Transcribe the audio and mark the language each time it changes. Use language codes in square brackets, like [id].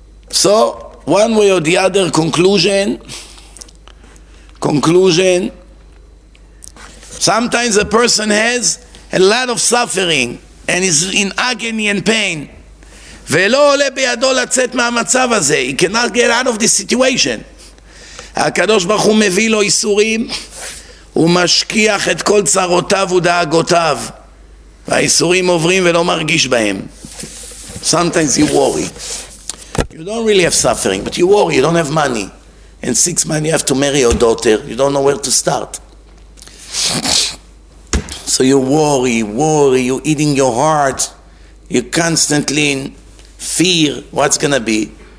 [en] So, one way or the other, conclusion, sometimes a person has a lot of suffering and is in agony and pain. [he] ולא עולה בידו לצאת מהמצב הזה. [en] He cannot get out of this situation. [he] הקדוש ברוך הוא מביא לו איסורים, הוא משכיח את כל צרותיו ודאגותיו. והאיסורים עוברים ולא מרגיש בהם. [en] Sometimes you worry. You don't really have suffering, but you worry, you don't have money. In 6 months you have to marry your daughter, you don't know where to start. So you worry, you're eating your heart, you're constantly in fear, what's going to be.